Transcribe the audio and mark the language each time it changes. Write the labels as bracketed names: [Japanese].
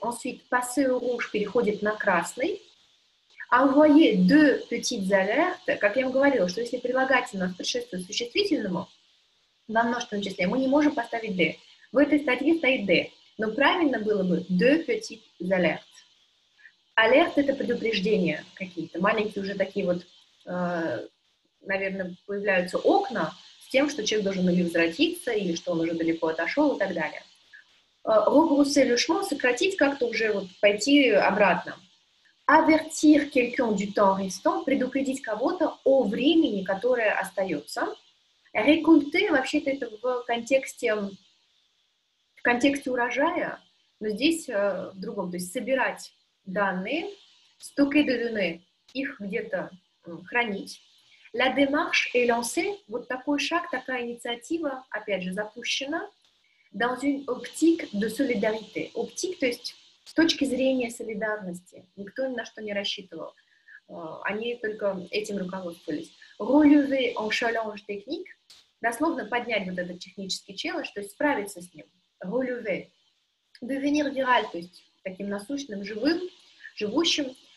[French] Ensuite, passer au rouge [Russian] переходит на красный. [French] Envoyer deux petites alertes. [Russian] Как я вам говорила, что если прилагательное предшествует существительному, во множественном числе, мы не можем поставить D. В этой статье стоит D. Но правильно было бы [French] deux petites alertes. [Russian] Alert – это предупреждение какие-то. Маленькие уже такие вот, наверное, появляются окна с тем, что человек должен или возвратиться, или что он уже далеко отошел и так далее. [French] Rebrousser le chemin [Russian] – сократить как-то уже вот пойти обратно. [French] Avertir quelqu'un du temps restant [Russian] – предупредить кого-то о времени, которое остается. Récolter, вообще-то это в контексте урожая, но здесь в другом, то есть собирать данные, [French] stocker de données, [Russian] их где-то хранить. [French] La démarche est lancée, [Russian] вот такой шаг, такая инициатива, опять же, запущена [French] dans une optique de solidarité. [Russian] Optique, то есть с точки зрения солидарности, никто ни на что не рассчитывал, они только этим руководствовались. [French] Relever un challenge technique, [Russian] дословно поднять вот этот технический челлендж, то есть справиться с ним. [French] Relever. Devenir viral, [Russian] то есть таким насущным, живым, живущим.